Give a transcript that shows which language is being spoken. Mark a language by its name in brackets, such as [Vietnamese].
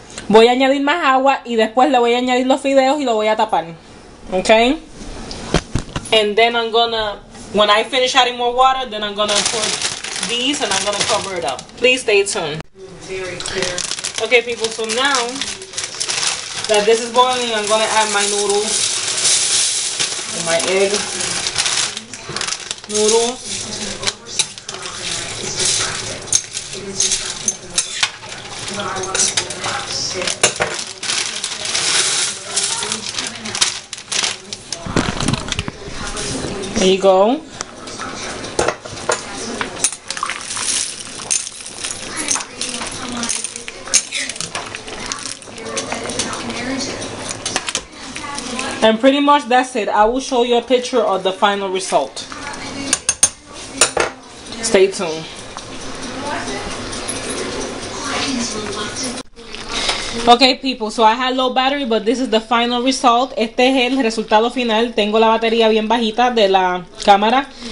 [Spanish] Voy a añadir más agua y después le voy a añadir los fideos y lo voy a tapar. [English] Okay? And then I'm going to, when I finish adding more water, then I'm going to put these and I'm going to cover it up. Please stay tuned. Very clear. Okay, people, so now that this is boiling, I'm going to add my noodles and my egg. Noodles. There you go. And pretty much that's it. I will show you a picture of the final result. Stay tuned. Okay, people, so I had low battery, but this is the final result. [Spanish] Este es el resultado final. Tengo la batería bien bajita de la cámara.